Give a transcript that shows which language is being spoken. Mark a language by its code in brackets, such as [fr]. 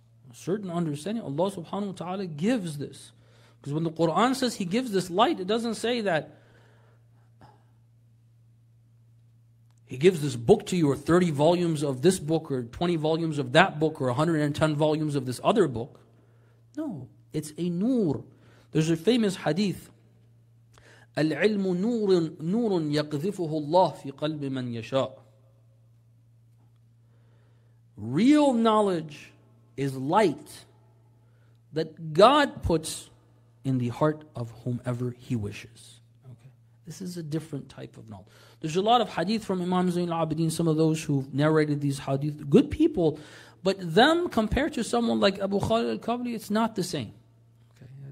[en] A certain understanding, Allah subhanahu wa ta'ala gives this. Because when the Quran says He gives this light, it doesn't say that He gives this book to you, or 30 volumes of this book, or 20 volumes of that book, or 110 volumes of this other book. No. It's a nur. There's a famous hadith [ar] العلم نور نور يقذفه الله في قلب من يشاء. [en] Real knowledge is light that God puts in the heart of whomever He wishes. Okay. This is a different type of knowledge. There's a lot of hadith from Imam Zain al-Abidin, some of those who've narrated these hadith, good people, but them compared to someone like Abu Khalid al-Kabri, it's not the same. Okay.